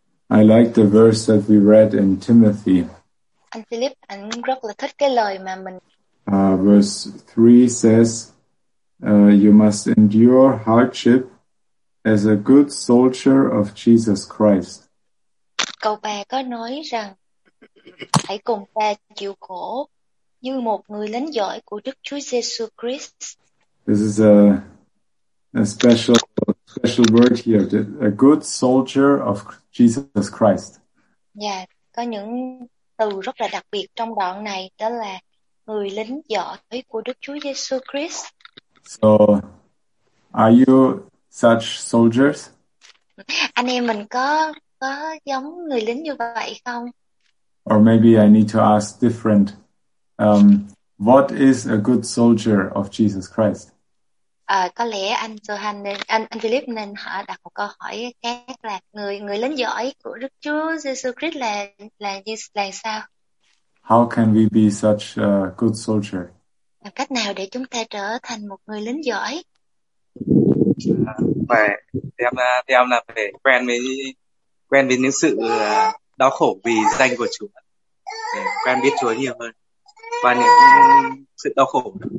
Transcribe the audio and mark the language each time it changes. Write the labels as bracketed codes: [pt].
[en] I like the verse that we read in Timothy. [vi] Anh Philip, anh rất là thích cái lời mà mình. [en] Verse 3 says, you must endure hardship as a good soldier of Jesus Christ. [vi] Câu 3 có nói rằng hãy cùng ta chịu khổ như một người lính giỏi của Đức Chúa Jesus Christ. [en] This is a special word here, a good soldier of Jesus Christ. [vi] Yeah, có những từ rất là đặc biệt trong đoạn này, đó là người lính giỏi của Đức Chúa Jesus Christ. [en] So, are you such soldiers? [vi] Anh em mình có giống người lính như vậy không? [en] Or maybe I need to ask different. What is a good soldier of Jesus Christ? [vi] Có lẽ anh Johan nên anh Philip nên hỏi đặt một câu hỏi khác là người lính giỏi của Đức Chúa Jesus Christ là sao? [en] How can we be such a good soldier? [vi] Cách nào để chúng ta trở thành một người lính giỏi? Em là phải quen với những sự đau khổ vì danh của Chúa, để quen biết Chúa nhiều hơn và những sự đau khổ.